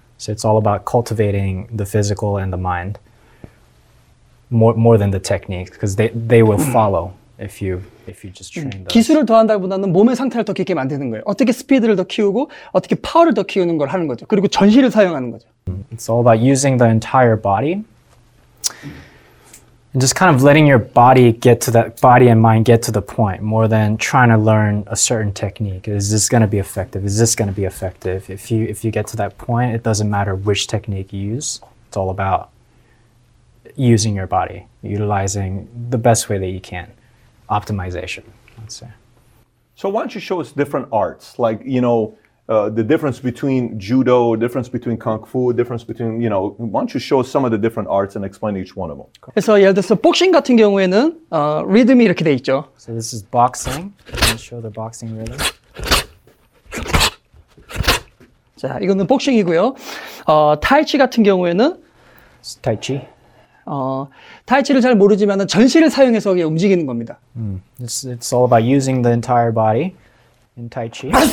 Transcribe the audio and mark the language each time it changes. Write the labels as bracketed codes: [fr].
[en] So it's all about cultivating the physical and the mind more than the technique, because they will follow. If you just train those. [ko] 기술을 더한다기보다는 몸의 상태를 더 깊게 만드는 거예요. 어떻게 스피드를 더 키우고 어떻게 파워를 더 키우는 걸 하는 거죠. 그리고 전신을 사용하는 거죠. [en] It's all about using the entire body. And just kind of letting your body get to that, body and mind get to the point more than trying to learn a certain technique. Is this going to be effective? Is this going to be effective? If you get to that point, it doesn't matter which technique you use. It's all about using your body, utilizing the best way that you can. Optimization, let's say. So why don't you show us different arts? Like, you know, the difference between judo, difference between kung fu, difference between, you know, why don't you show us some of the different arts and explain each one of them? Okay. So, yeah, so boxing [ko] 같은 경우에는 리듬이 이렇게 돼 있죠. [en] So this is boxing. Let me show the boxing rhythm. [ko] 자, 이거는 복싱이고요. 타이치 같은 경우에는 타이치. 타이치를 잘 모르지만은 전신을 사용해서 이게 움직이는 겁니다. [en] It's all about using the entire body in tai chi.